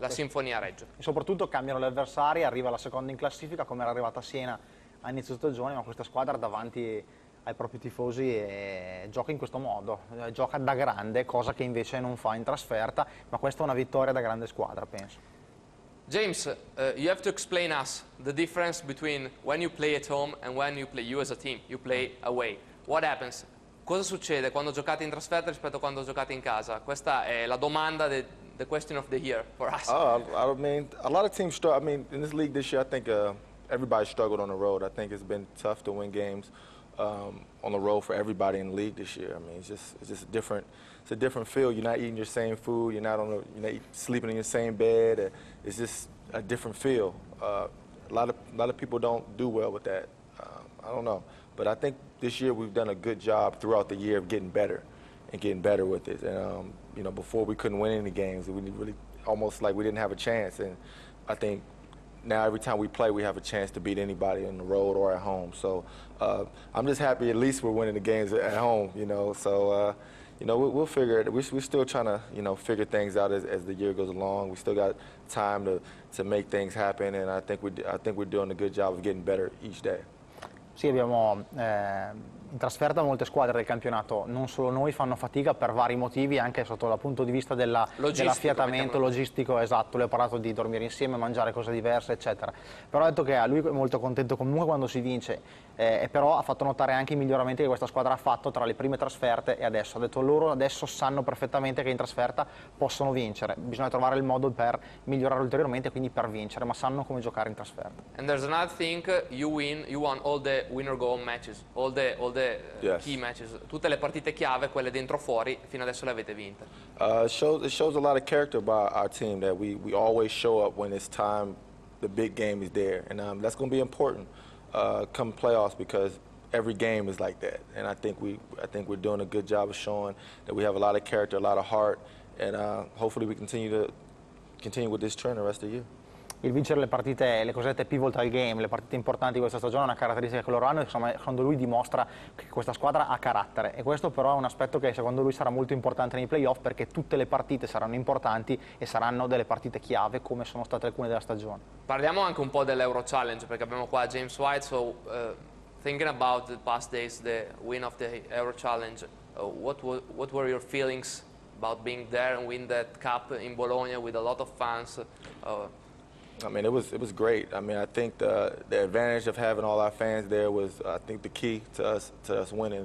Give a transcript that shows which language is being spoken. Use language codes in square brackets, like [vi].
[it] La sinfonia regge. E soprattutto cambiano le avversarie, arriva la seconda in classifica come era arrivata Siena a inizio stagione, ma questa squadra davanti ai propri tifosi gioca in questo modo, gioca da grande, cosa che invece non fa in trasferta, ma questa è una vittoria da grande squadra, penso. [en] James, you have to explain us the difference between when you play at home and when you play, you as a team, you play away. What happens? [it] Cosa succede quando giocate in trasferta rispetto a quando giocate in casa? Questa è la domanda, [en] the question of the year for us. A lot of teams struggle. I mean, in this league this year, I think everybody struggled on the road. I think it's been tough to win games on the road for everybody in the league this year. I mean, it's just different. It's a different feel. You're not eating your same food. You're not sleeping in your same bed. It's just a different feel. A lot of people don't do well with that. I don't know. But I think this year we've done a good job throughout the year of getting better with it. And you know, before we couldn't win any games, we really almost like we didn't have a chance. And I think now every time we play, we have a chance to beat anybody on the road or at home. So I'm just happy at least we're winning the games at home. You know, so you know, we'll figure it. We're still trying to, you know, figure things out as the year goes along. We still got time to make things happen, and I think we're doing a good job of getting better each day. [it] Sì, abbiamo in trasferta molte squadre del campionato, non solo noi, fanno fatica per vari motivi, anche sotto il punto di vista dell'affiatamento logistico, esatto, lui ha parlato di dormire insieme, mangiare cose diverse, eccetera. Però ha detto che lui è molto contento comunque quando si vince. Però ha fatto notare anche i miglioramenti che questa squadra ha fatto tra le prime trasferte e adesso. Ha detto loro adesso sanno perfettamente che in trasferta possono vincere. Bisogna trovare il modo per migliorare ulteriormente, quindi per vincere, ma sanno come giocare in trasferta. [en] And there's another thing, you won all the winner go matches, all the yes. Key matches. [it] Tutte le partite chiave, quelle dentro fuori, fino adesso le avete vinte. [en] It shows a lot of character by our team that we always show up when it's time, the big game is there, and that's going to be important. Come playoffs, because every game is like that, and I think we're doing a good job of showing that we have a lot of character, a lot of heart, and hopefully we continue with this trend the rest of the year. [it] Il vincere le partite, le cosiddette pivotal game, le partite importanti di questa stagione, è una caratteristica che loro hanno, insomma, quando lui dimostra che questa squadra ha carattere. E questo però è un aspetto che secondo lui sarà molto importante nei playoff, perché tutte le partite saranno importanti e saranno delle partite chiave, come sono state alcune della stagione. Parliamo anche un po' dell'Euro Challenge, perché abbiamo qua James White. [en] So thinking about the past days, the win of the Euro Challenge, what were your feelings about being there and win that cup in Bologna with a lot of fans? I mean, it was great. I mean, I think the advantage of having all our fans there was, I think, the key to us winning.